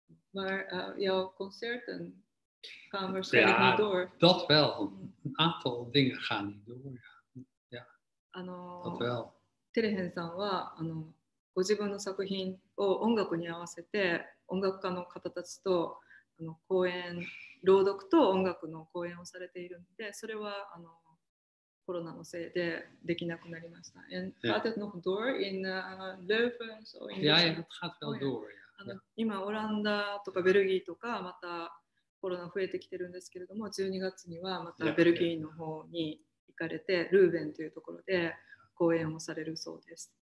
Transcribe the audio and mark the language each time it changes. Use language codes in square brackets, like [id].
[nl] Maar jouw concerten gaan waarschijnlijk niet door. Ja, dat wel. Een aantal dingen gaan niet door. Ja. Dat wel. [ja] テレヘンさんはご自分の作品を音楽に合わせて、音楽家の方たちと講演、朗読と音楽の講演をされているので、それはコロナのせいでできなくなりました。 Yeah. [nl] Gaat het nog door in Leuven? So in ja, ja, het gaat wel door. Ja. Yeah. [ja] 今、オランダとかベルギーとかまたコロナ増えてきてるんですけれども、12月にはまたベルギーの方に行かれて、ルーベンというところで講演をされるそうです。